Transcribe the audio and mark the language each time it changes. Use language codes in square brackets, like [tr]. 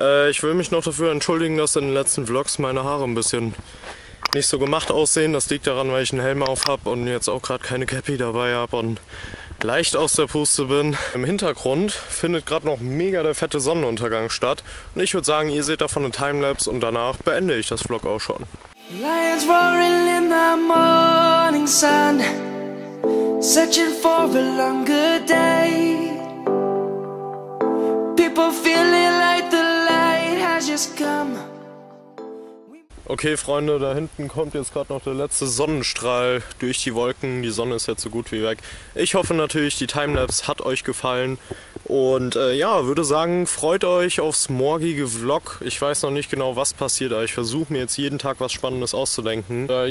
[de] Ich will mich noch dafür entschuldigen, dass in den letzten Vlogs meine Haare ein bisschen nicht so gemacht aussehen. Das liegt daran, weil ich einen Helm auf habe und jetzt auch gerade keine Cappy dabei habe. Und leicht aus der Puste bin. Im Hintergrund findet gerade noch mega der fette Sonnenuntergang statt. Und ich würde sagen, ihr seht davon einen Timelapse und danach beende ich das Vlog auch schon. [en] Lions roaring in the morning sun, searching for a longer day. People feeling like the light has just come. [de] Okay, Freunde, da hinten kommt jetzt gerade noch der letzte Sonnenstrahl durch die Wolken. Die Sonne ist jetzt so gut wie weg. Ich hoffe natürlich, die Timelapse hat euch gefallen. Und ja, würde sagen, freut euch aufs morgige Vlog. Ich weiß noch nicht genau, was passiert, aber ich versuche mir jetzt jeden Tag was Spannendes auszudenken.